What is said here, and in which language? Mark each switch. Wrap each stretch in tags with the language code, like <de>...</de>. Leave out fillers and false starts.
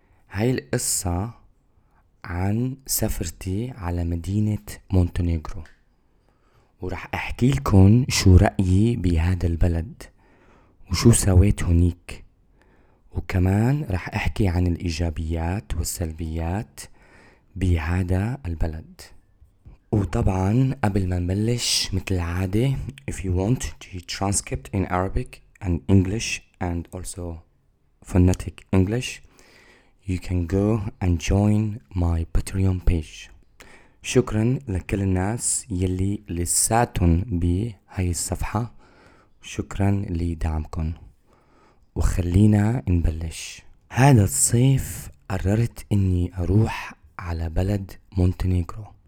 <ar>هاي القصة عن سفرتي على مدينة مونتينيغرو، ورح احكي لكم شو رأيي بهذا البلد وشو سويت هنيك، وكمان رح احكي عن الايجابيات والسلبيات بهذا البلد. وطبعا قبل ما نبلش مثل العادة،</ar> <en>if you want to transcript in Arabic and English and also phonetic English, you can go and join my Patreon page.</en> <ar>شكرا لكل الناس يلي لساتن بهاي الصفحة، شكرا لدعمكن، وخلينا نبلش. هذا الصيف قررت اني اروح على بلد مونتينيغرو.</ar>